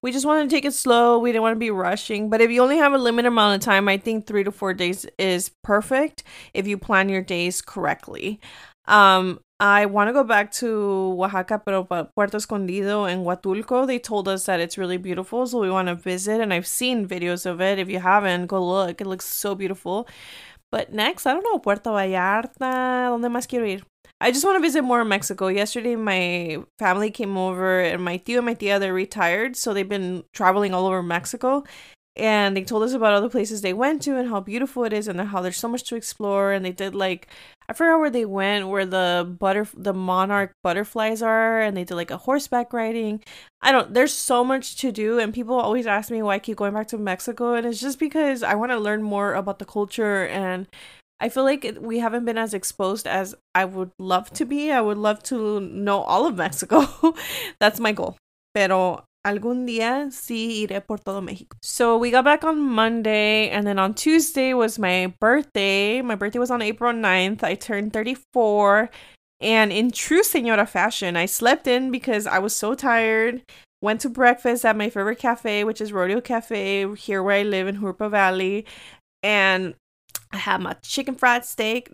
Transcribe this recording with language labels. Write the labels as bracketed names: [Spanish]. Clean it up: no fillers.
[English] We just wanted to take it slow. We didn't want to be rushing. But if you only have a limited amount of time, I think 3 to 4 days is perfect if you plan your days correctly. I want to go back to Oaxaca, pero Puerto Escondido and Huatulco, they told us that it's really beautiful, so we want to visit, and I've seen videos of it. If you haven't, go look. It looks so beautiful. But next, I don't know, Puerto Vallarta, [Spanish] ¿dónde más quiero ir? [English] I just want to visit more Mexico. Yesterday, my family came over, and my tío and my tía, they're retired, so they've been traveling all over Mexico. And they told us about all the places they went to and how beautiful it is and how there's so much to explore. And they did, like, I forgot where they went, where the monarch butterflies are. And they did, like, a horseback riding. There's so much to do. And people always ask me why I keep going back to Mexico. And it's just because I want to learn more about the culture. And I feel like we haven't been as exposed as I would love to be. I would love to know all of Mexico. That's my goal. [Spanish] Pero algún día sí iré por todo México. [English] So we got back on Monday, and then on Tuesday was my birthday. My birthday was on April 9th. I turned 34, and in true señora fashion, I slept in because I was so tired. Went to breakfast at my favorite cafe, which is Rodeo Cafe, here where I live in Jurupa Valley, and I had my chicken fried steak.